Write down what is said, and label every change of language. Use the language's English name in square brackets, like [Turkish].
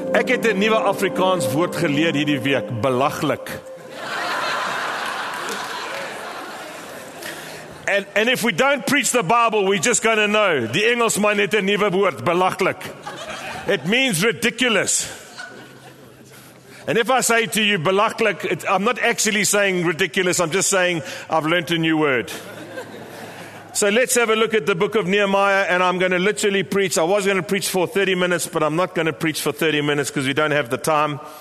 [Afrikaans] het 'n nuwe Afrikaans woord geleer hierdie week, belaglik. [English] And if we don't preach the Bible, we're just going to know. [Afrikaans] Die Engelsman het 'n nuwe woord, belaglik. [English] It means ridiculous. And if I say to you, belaglik, I'm not actually saying ridiculous, I'm just saying I've learnt a new word. So let's have a look at the book of Nehemiah, and I'm going to literally preach. I was going to preach for 30 minutes, but I'm not going to preach for 30 minutes because we don't have the time.